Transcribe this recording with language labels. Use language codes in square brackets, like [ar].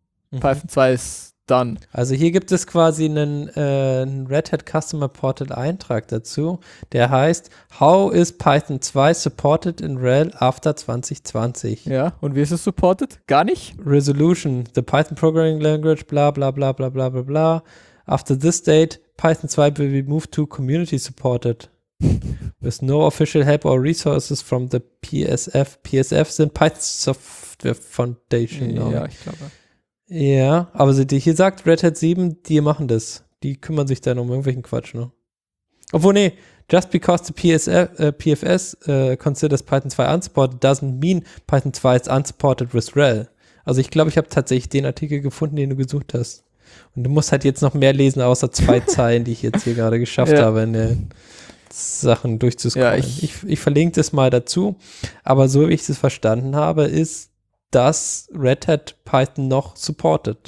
[de] Mhm. Python 2 ist dann. Also hier gibt es quasi einen Red Hat Customer Ported Eintrag dazu, der heißt [en] How is Python 2 supported in RHEL after 2020? [de] Ja, und wie ist es supported? Gar nicht? [en] Resolution, the Python programming language, bla bla bla bla bla bla bla. After this date, Python 2 will be moved to community supported. With no official help or resources from the PSF. [de] PSF sind Python Software Foundation. Ja, ich glaube. Ja, aber hier sagt Red Hat 7, die machen das. Die kümmern sich dann um irgendwelchen Quatsch, ne? Obwohl, nee, [en] just because the PFS considers Python 2 unsupported doesn't mean Python 2 is unsupported with RHEL. [de] Also ich glaube, ich habe tatsächlich den Artikel gefunden, den du gesucht hast. Und du musst halt jetzt noch mehr lesen, außer zwei Zeilen, die ich jetzt hier gerade geschafft habe, in den Sachen durchzuscrollen. Ja, ich verlinke das mal dazu. Aber so, wie ich es verstanden habe, ist, dass Red Hat Python noch supportet.